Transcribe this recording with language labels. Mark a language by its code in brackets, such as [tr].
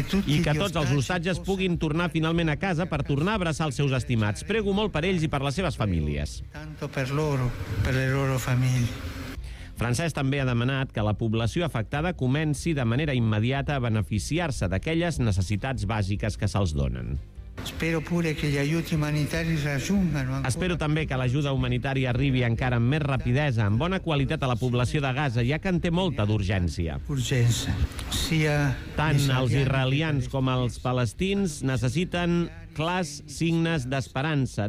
[ca] I que tots els hostatges puguin tornar finalment a casa per tornar a abraçar els seus estimats. Prego molt per ells i per les seves famílies. [it] Tanto per loro, per le loro famiglie. [ca] Francesc també ha demanat que la població afectada comenci de manera immediata a beneficiar-se d'aquelles necessitats bàsiques que se'ls donen. [it] Espero pure que gli aiuti umanitari raggiungano ancora... [ca] Espero també que l'ajuda humanitària arribi encara amb més rapidesa, amb bona qualitat a la població de Gaza, ja que en té molta d'urgència. Urgència. [it] Sia... [ca] Tant els israelians com els palestins necessiten clars signes d'esperança.